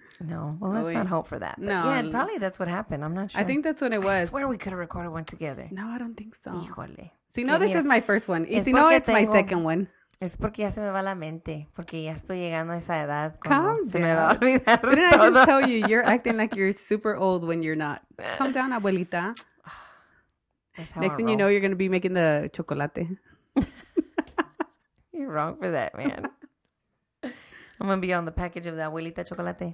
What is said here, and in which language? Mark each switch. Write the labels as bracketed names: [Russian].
[English] No, well, let's not hope for that. No. Yeah, probably that's what happened. I'm not sure. I think that's what it was. I swear we could have recorded one together. No, I don't think so. [Spanish] Híjole. [English] Si no, this is my first one. Y si no, it's my second one. [Spanish] Es porque ya se me va la mente. Porque ya estoy llegando a esa edad. [English] Calm down. [Spanish] Se me va a olvidar todo. [English] Didn't I just tell you, you're acting like you're super old when you're not. Calm down, abuelita. Next thing you know, you're going to be making the chocolate. You're wrong for that, man. I'm going to be on the package of the abuelita chocolate.